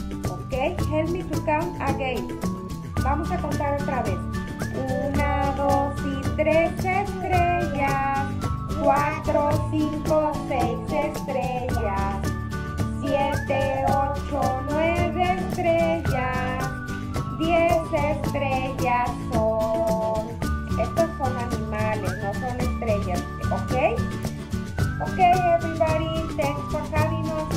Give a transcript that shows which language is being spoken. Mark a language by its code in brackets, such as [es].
[en] Ok, help me to count again. [es] Vamos a contar otra vez. Una, dos y tres estrellas, cuatro, cinco, seis estrellas, siete, ocho, nueve estrellas, diez estrellas son. Estos son animales, no son estrellas, ¿ok? [en] Ok, everybody, thanks for having us.